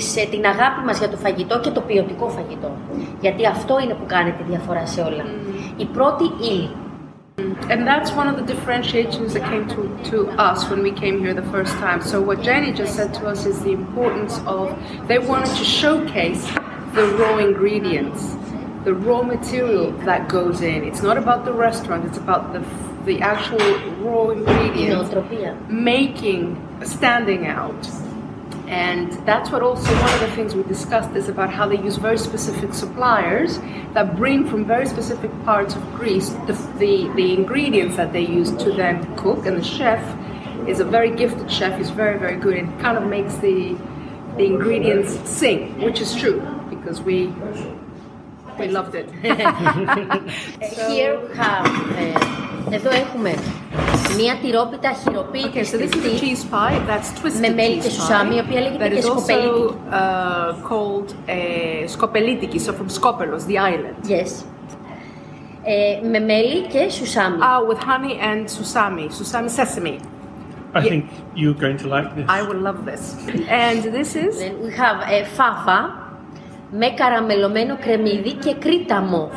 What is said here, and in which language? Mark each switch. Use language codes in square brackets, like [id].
[el] Την αγάπη μας για το φαγητό και το ποιοτικό φαγητό. Γιατί αυτό είναι που κάνει τη διαφορά σε όλα. Η πρώτη ύλη. [en] And that's one of the differentiations that came to us when we came here the first time. So what Jenny just said to us is the importance of, they wanted to showcase the raw ingredients, the raw material that goes in. It's not about the restaurant, it's about the actual raw ingredients making, standing out. And that's what also one of the things we discussed is about how they use very specific suppliers that bring from very specific parts of Greece the ingredients that they use to then cook. And the chef is a very gifted chef, he's very, very good and kind of makes the ingredients sing, which is true because we loved it. Here we have. [el] Εδώ έχουμε μία τυρόπιτα χειροποίητη [en] okay, so this is a cheese pie that's twisted [el] με μέλι και σουσάμι, η οποία λέγεται και σκοπελίτικη. [en] Called σκοπελίτικη, so from Skopelos, the island. [el] Yes. Με μέλι και σουσάμι. [en] Ah, with honey and sousami. Sousami sesame. I think you're going to like this. I will love this. And this is? We have fava [el] με καραμελωμένο κρεμμύδι και κρύταμο.